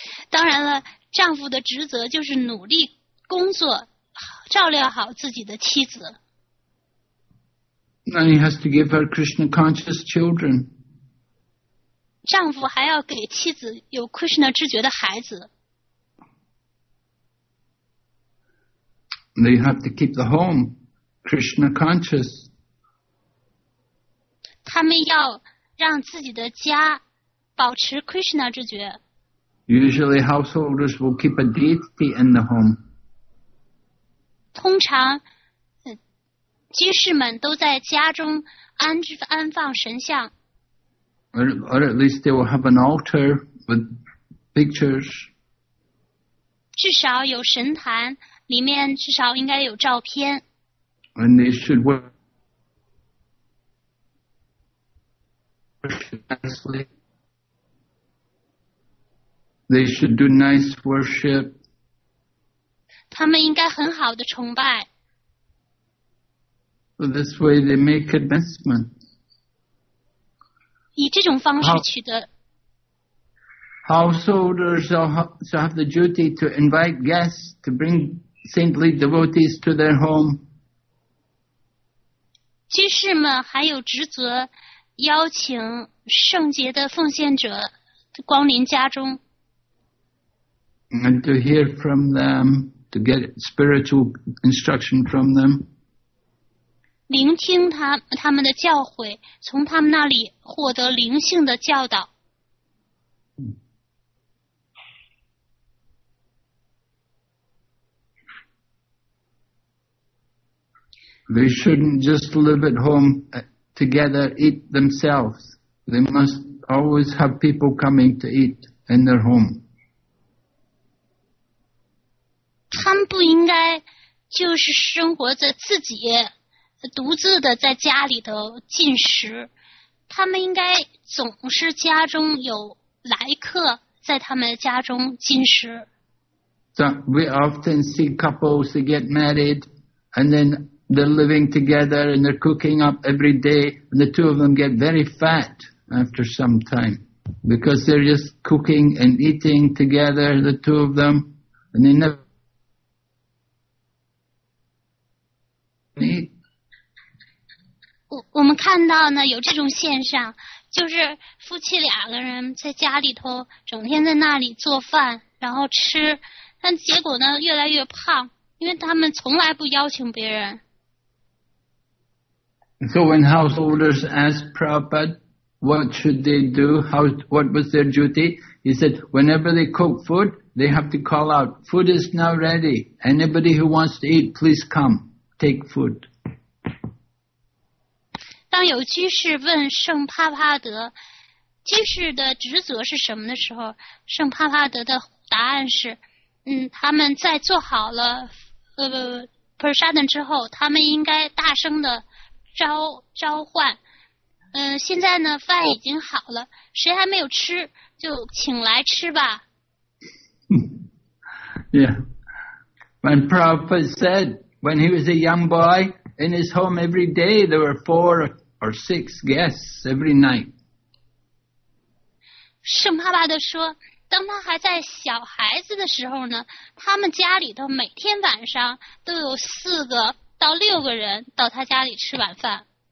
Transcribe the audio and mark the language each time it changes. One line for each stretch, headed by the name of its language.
Chinese: 当然了，丈夫的职责就是努力工作，照料好自己的妻子。
English: And he has to give her Krishna conscious children.
Chinese: 丈夫还要给妻子有 Krishna 知觉的孩子。
English: They have to keep the home Krishna conscious.
Chinese: 他们要让自己的家保持 Krishna 知觉。
English: Usually householders will keep a deity in the home.
Chinese: 通常居士们都在家中 安放神像。
English: Or at least they will have an altar with pictures.
Chinese: 至少有神坛，里面至少应该有照片。
English: And they should worship nicely. They should do nice worship.
Chinese: 他们应该很好的崇拜。
English: So this way they make advancement.
Chinese: 以这种方式取得。
English: Householders shall have the duty to invite guests to bring saintly devotees to their home.
Chinese: 居士们还有职责邀请圣洁的奉献者光临家中。
English: And to hear from them, to get spiritual instruction from them.
Chinese: 聆听 他们的教诲，从他们那里获得灵性的教导。
English: They shouldn't just live at home together, eat themselves. They must always have people coming to eat in their home.
Chinese: 他们不应该就是生活在自己独自的在家里头进食，他们应该总是家中有来客在他们家中进食。
English: So we often see couples who get married, and then they're living together and they're cooking up every day, and the two of them get very fat after some time because they're just cooking and eating together, the two of them, and they never eat.
Chinese: 我们看到呢，有这种现象，就是夫妻两个人在家里头整天在那里做饭，然后吃，但结果呢越来越胖，因为他们从来不邀请别人。
English: So when householders asked Prabhupada what should they do, what was their duty, he said whenever they cook food, they have to call out, food is now ready, anybody who wants to eat, please come, take food.
Chinese: 当有居士问圣帕帕德居士的职责是什么的时候，圣帕帕德的答案是他们在做好了prasadam 之后，他们应该大声的召唤现在呢饭已经好了，谁还没有吃就请来吃吧。
English: Yeah, when Prabhupada said when he was a young boy in his home every day there were four or six guests every night.
Chinese: 圣帕帕德说，当他还在小孩子的时候呢，他们家里头每天晚上都有四个到六个人到他家里吃晚饭。